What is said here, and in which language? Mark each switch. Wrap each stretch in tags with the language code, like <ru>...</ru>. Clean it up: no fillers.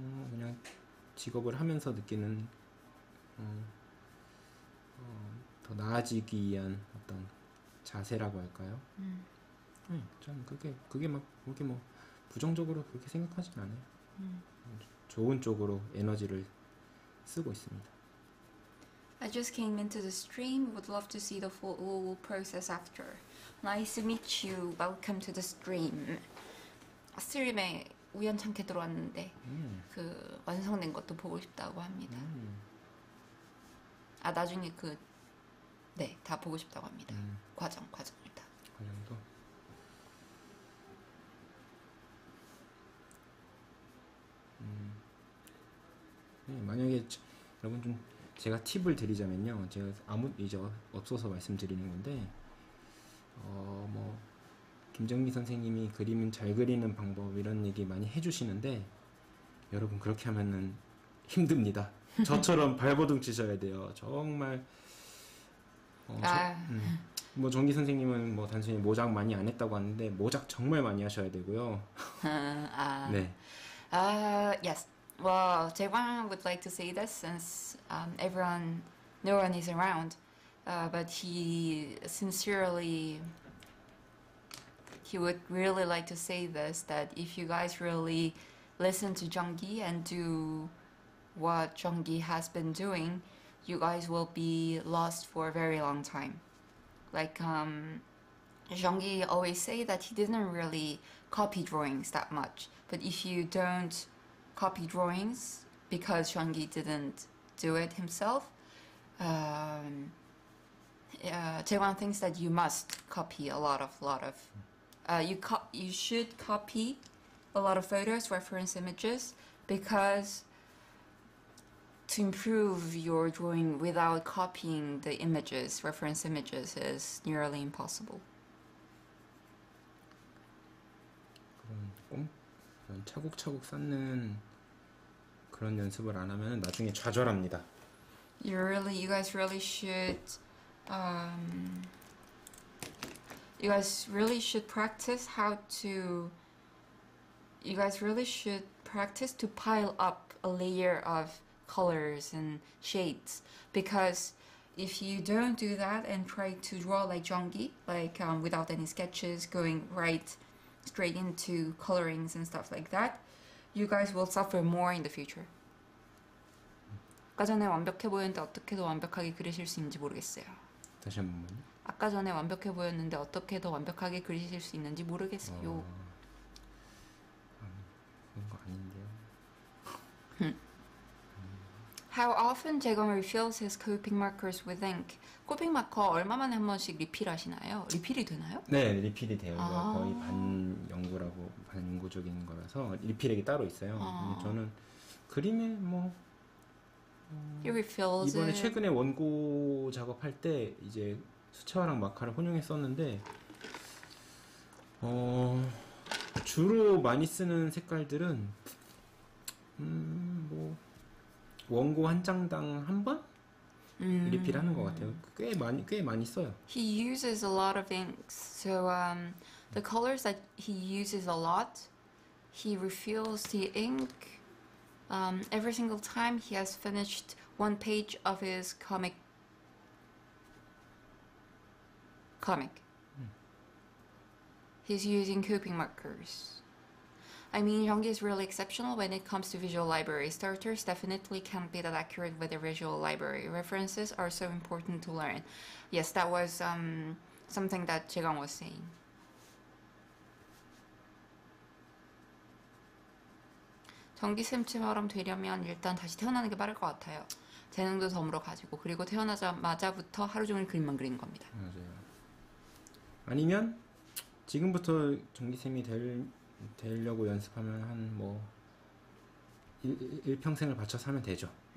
<ko>그냥 직업을 하면서 느끼는 더 나아지기 위한 어떤 자세라고 할까요? 저는 그게 막 그렇게 뭐 부정적으로 그렇게 생각하진 않아요. 좋은 쪽으로 에너지를 쓰고 있습니다.</ko> <en>I just came into the stream. Would love to see the full process after. Nice to meet you. Welcome to the stream.</en> <ko>스트림에 우연찮게 들어왔는데 그 완성된 것도 보고 싶다고 합니다. 아 나중에 그 네, 다 보고 싶다고 합니다. 과정입니다. 과정도. 만약에 여러분 좀 제가 팁을 드리자면요. 제가 아무 이제 없어서 말씀드리는 건데 뭐 김정기 선생님이 그림을 잘 그리는 방법 이런 얘기 많이 해주시는데 여러분 그렇게 하면은 힘듭니다. 저처럼 발버둥 치셔야 돼요. 정말 뭐 정기 선생님은 뭐 단순히 모작 많이 안 했다고 하는데 모작 정말 많이 하셔야 되고요. 네.</ko> <en>Yes. Well, Jaegwon would like to say this since everyone, no one is around, but he sincerely, he would really like to say this, that if you guys really listen to Jeonggi and do what Jeonggi has been doing, you guys will be lost for a very long time. Like, Jeonggi always say that he didn't really copy drawings that much, but if you don't copy drawings because Jeonggi didn't do it himself. Jaegwon thinks that you must copy you should copy a lot of photos, reference images, because to improve your drawing without copying the images, reference images, is nearly impossible.</en> <ko>차곡차곡 쌓는 그런 연습을 안 하면 나중에 좌절합니다.</ko> <en>You guys really should, you guys really should practice how to. You guys really should practice to pile up a layer of colors and shades because if you don't do that and try to draw like Jeonggi, like without any sketches, going right straight into colorings and stuff like that, you guys will suffer more in the future.</en> <ko>아까 전에 완벽해 보였는데 어떻게 더 완벽하게 그리실 수 있는지 모르겠어요. 다시 한 번만요. 아까 전에 완벽해 보였는데 어떻게 더 완벽하게 그리실 수 있는지 모르겠어요. 그런 거 아닌데요. How often Jaegeum refills his coping markers with ink? 코핑 마커 얼마만에 한 번씩 리필하시나요? 리필이 되나요? 네, 리필이 돼요. 아. 거의 반 연구라고 반 연구적인 거라서 리필액이 따로 있어요. 아. 저는 그림에 뭐</ko> <en>He refills</en> <ko>이번에</ko> <en>it.</en> <ko>최근에 원고 작업할 때 이제 수채화랑 마카를 혼용해 썼는데 주로 많이 쓰는 색깔들은 뭐 원고 한 장당 한 번 리필하는 것 같아요. 꽤 많이 써요.</ko> <en>He uses a lot of inks, so the colors that he uses a lot, he refills the ink every single time he has finished one page of his comic. He's using coping markers. I mean, Jeonggi is really exceptional when it comes to visual library. Starters definitely can't be that accurate with the visual library. References are so important to learn. Yes, that was something that Jaegeum was saying.</en> <ko>정기 쌤처럼 되려면 일단 다시 태어나는 게 빠를 것 같아요. 재능도 덤으로 가지고 그리고 태어나자마자부터 하루 종일 그림만 그리는 겁니다. 맞아요. 아니면 지금부터 정기 쌤이 되려고 연습하면 한 뭐 일평생을 바쳐 살면 되죠.</ko>